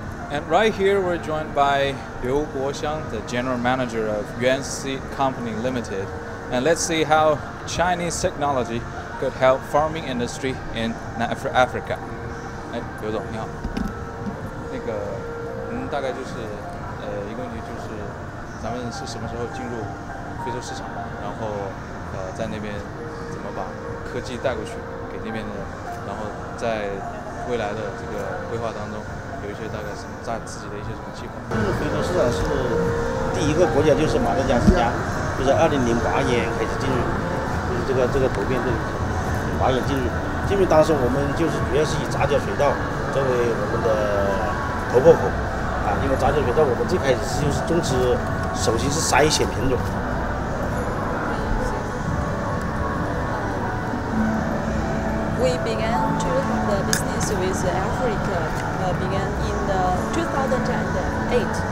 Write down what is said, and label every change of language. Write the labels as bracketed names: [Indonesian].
[English] And right here, we're joined by Liu Guoxiang, the general manager of Yuan Seed Company Limited. And let's see how Chinese technology could help farming industry in Africa. [Chinese] Hey, Liu 总，你好。那个，您大概就是，一个问题就是，咱们是什么时候进入非洲市场的？然后，在那边怎么把科技带过去给那边的人？然后在未来的这个规划当中。有一些大概是在自己的一些什么计划？非洲市场是第一个国家，就是马达加斯加，就是2008年开始进入，就是这个图片，2008年进入，当时我们就是主要是以杂交水稻作为我们的突破口啊，因为杂交水稻我们最开始就是种植，首先是筛选品种。 [English] We began to have the business with Africa, began in the 2008.